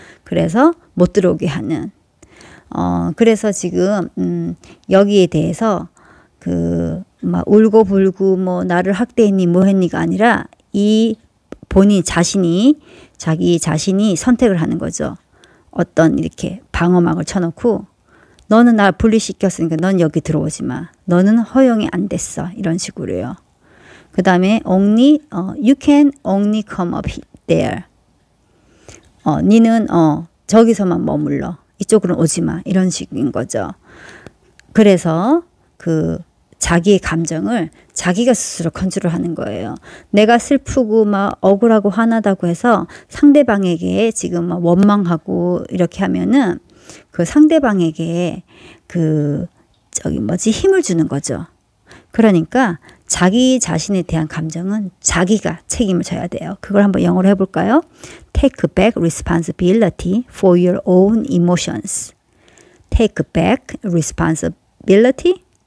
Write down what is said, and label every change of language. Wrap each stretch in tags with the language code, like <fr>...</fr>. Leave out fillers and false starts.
<ko>그래서 못 들어오게 하는. 그래서 지금 여기에 대해서 그 막 울고 불고 뭐 나를 학대했니 뭐 했니가 아니라 이 본인 자신이 자기 자신이 선택을 하는 거죠. 어떤 이렇게 방어막을 쳐놓고 너는 나 분리시켰으니까 넌 여기 들어오지 마. 너는 허용이 안 됐어. 이런 식으로요.</ko> <en>그 다음에 only you can only come up there.</en> <ko>니는 저기서만 머물러. 이쪽으로 오지 마. 이런 식인 거죠. 그래서 그 자기의 감정을 자기가 스스로 컨트롤하는 거예요. 내가 슬프고 막 억울하고 화나다고 해서 상대방에게 지금 막 원망하고 이렇게 하면은 그 상대방에게 그 저기 뭐지 힘을 주는 거죠. 그러니까 자기 자신에 대한 감정은 자기가 책임을 져야 돼요. 그걸 한번 영어로 해볼까요?</ko> <en>Take back responsibility for your own emotions. Take back responsibility.</en>